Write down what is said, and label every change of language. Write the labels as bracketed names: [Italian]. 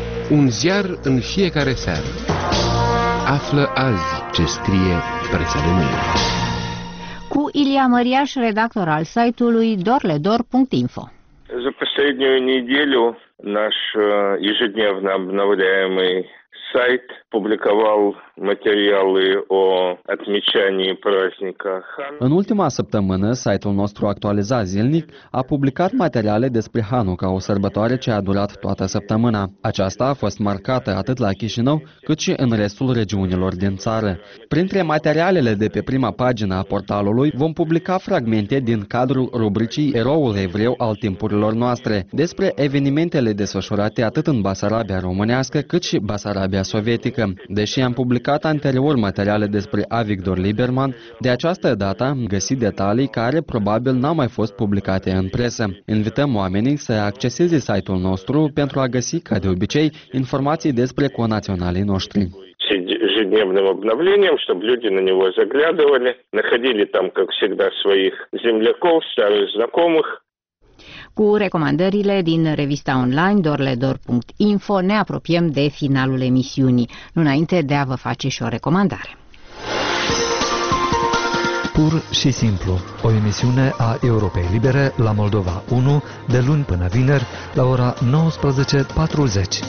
[Romanian] Un ziar în fiecare seară. Află azi ce scrie presa de mâine. Cu Ilia Măriaș, redactor al site-ului dorledor.info. [Russian] За последнюю неделю наш ежедневно обновляемый сайт публиковал материалы о отмечании праздника Хануки. [Romanian] În ultima săptămână, site-ul nostru actualizat zilnic a publicat materiale despre Hanuka, o sărbătoare ce a durat toată săptămâna. Aceasta a fost marcată atât la Chișinău, cât și în restul regiunilor din țară. Printre materialele de pe prima pagină a portalului, vom publica fragmente din cadrul rubricii Eroul evreu al timpurilor noastre, despre evenimentele desfășurate atât în Basarabia românească, cât și Basarabia sovietică. Deși am publicat anterior materiale despre Avigdor Lieberman, de această dată am găsit detalii care probabil n-au mai fost publicate în presă. Invităm oamenii să acceseze site-ul nostru pentru a găsi, ca de obicei, informații despre conaționalii noștri. [Russian] Ежедневным обновлением, чтобы люди на него заглядывали, находили там, как всегда, своих земляков, старых знакомых. [Romanian] Cu recomandările din revista online dorledor.info ne apropiem de finalul emisiunii, înainte de a vă face și o recomandare. Pur și simplu, o emisiune a Europei Libere la Moldova 1, de luni până vineri, la ora 19:40.